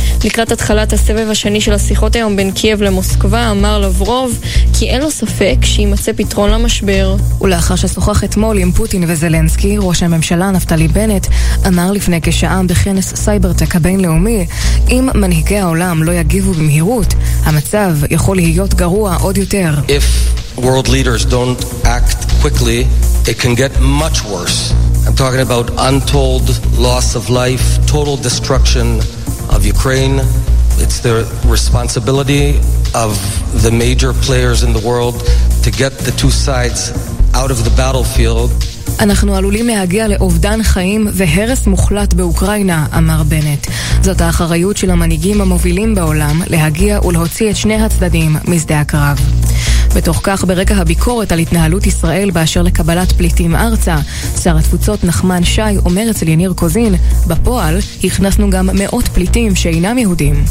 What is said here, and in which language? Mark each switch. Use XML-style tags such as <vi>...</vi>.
<he>לקראת התחלת הסבב השני של השיחות היום בין קייב למוסקבה, אמר לברוב כי אין לו ספק שימצא פתרון למשבר. ולאחר ששוחח אתמול עם פוטין וזלנסקי, ראש הממשלה נפתלי בנט אמר לפני כשעה בכנס סייברטק הבינלאומי, אם מנהיגי העולם לא יגיבו במהירות, המצב יכול להיות גרוע עוד יותר.</he> <en>If world leaders don't act quickly, it can get much worse. I'm talking about untold loss of life, total destruction of Ukraine. It's the responsibility of the major players in the world to get the two sides out of the battlefield.</en> <he>אנחנו עלולים להגיע לאובדן חיים והרס מוחלט באוקראינה, אמר בנט. זאת האחריות של המנהיגים המובילים בעולם להגיע ולהוציא את שני הצדדים משדה הקרב. בתוך כך, ברקע הביקורת על התנהלות ישראל באשר לקבלת פליטים ארצה, שר התפוצות נחמן שי אומר אצל יניר קוזין, בפועל הכנסנו גם מאות פליטים שאינם יהודים.</he>